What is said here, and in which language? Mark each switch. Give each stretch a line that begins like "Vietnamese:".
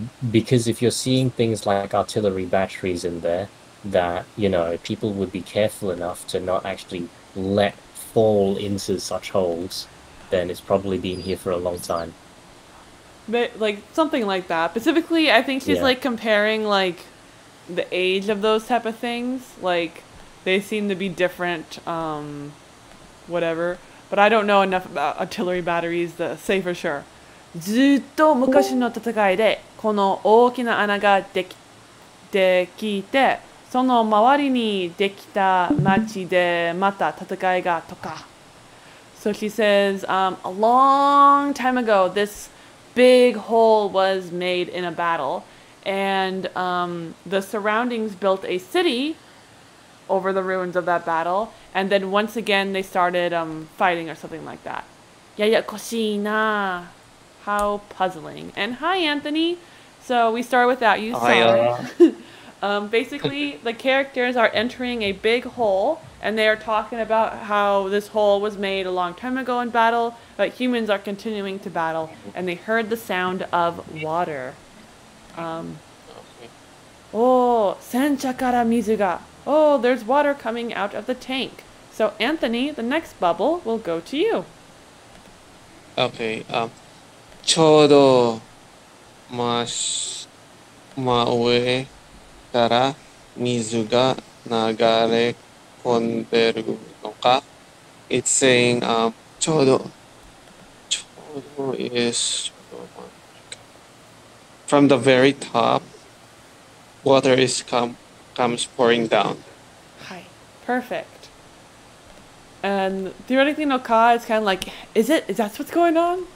English: Because if you're seeing things like artillery batteries in there, that, you know, people would be careful enough to not actually let fall into such holes, then it's probably been here for a long time. But, like, something like that. Specifically, I think she's, like, comparing, like, the age of those type of things. Like, they seem to be different, whatever. But I don't know enough about artillery batteries to say for sure.
Japanese: ずっと昔の戦いでこの大きな穴ができてその周りにできた町でまた戦いがとか。
English: So she says, a long time ago, this big hole was made in a battle, and the surroundings built a city over the ruins of that battle, and then once again they started fighting or something like that.
Japanese: ややこしいな。
English: How puzzling. And hi, Anthony. So we start without you. Hiya. basically, the characters are entering a big hole, and they are talking about how this hole was made a long time ago in battle, but humans are continuing to battle, and they heard the sound of water.
Japanese: Oh, sencha kara mizu ga.
English: Oh, there's water coming out of the tank. So, Anthony, the next bubble will go to you.
Japanese: Okay, ちょうど真上から水が流れ込んでるのか。
English: It's saying, from the very top, water is comes pouring down. Hi, perfect. And theoretically, no ka is kind of like, is that what's going on?